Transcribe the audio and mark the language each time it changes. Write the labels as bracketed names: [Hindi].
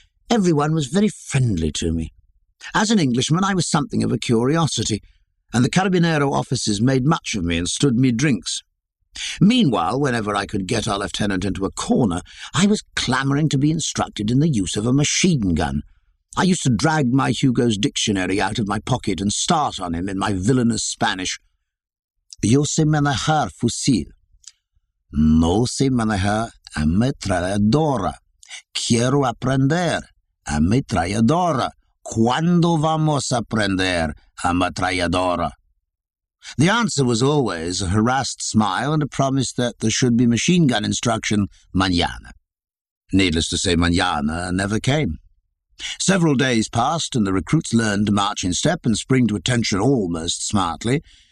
[English] Everyone was very friendly to me. As an Englishman, I was something of a curiosity, and the Carabinero officers made much of me and stood me drinks. Meanwhile, whenever I could get our lieutenant into a corner, I was clamouring to be instructed in the use of a machine gun. I used to drag my Hugo's dictionary out of my pocket and start on him in my villainous Spanish. [Spanish] Yo sé manejar fusil. No sé manejar ametralladora. Quiero aprender ametralladora. ¿Cuándo vamos a aprender ametralladora? [English] The answer was always a harassed smile and a promise that there should be machine gun instruction mañana. Needless to say, mañana never came. Several days passed, and the recruits learned to march in step and spring to attention almost smartly.